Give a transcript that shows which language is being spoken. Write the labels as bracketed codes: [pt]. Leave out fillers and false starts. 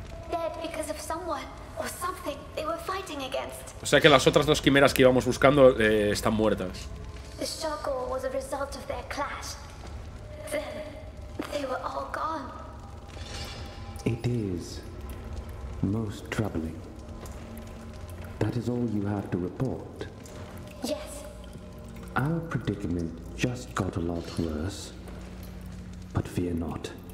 [en] Dead because of someone or something they were fighting against. [es] O sea que las otras dos quimeras que íbamos buscando están muertas. [en] The shockwave was a result of their clash. Then they were all gone. It is most troubling. That is all you have to report. Yes. Our predicament just got a lot worse. But fear not.